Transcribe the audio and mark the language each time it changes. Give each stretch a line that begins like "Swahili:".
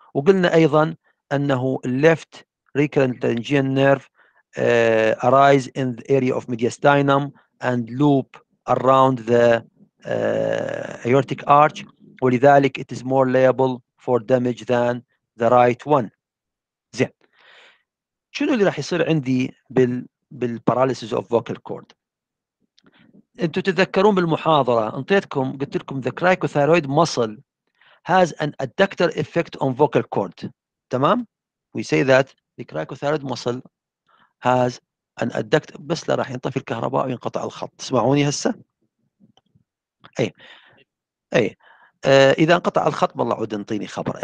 Arabic: وقلنا أيضا أنه
English: left recurrent laryngeal nerve arise in the area of mediastinum and loop around the aortic arch.
Arabic: ولذلك
English: it is more liable for damage than the right one.
Arabic: زين. شنو اللي راح يصير عندي بال
English: paralysis of vocal cord؟
Arabic: أنتوا تتذكرون بالمحاضرة أنطيتكم قلت لكم
English: the cricothyroid muscle has an adductor effect on vocal cord. تمام؟ We say that the cricothyroid muscle has an adductor.
Arabic: بس لا راح ينطفي الكهرباء وينقطع الخط. تسمعوني هسه؟ أي. إذا انقطع الخط بالله عود انطيني خبر.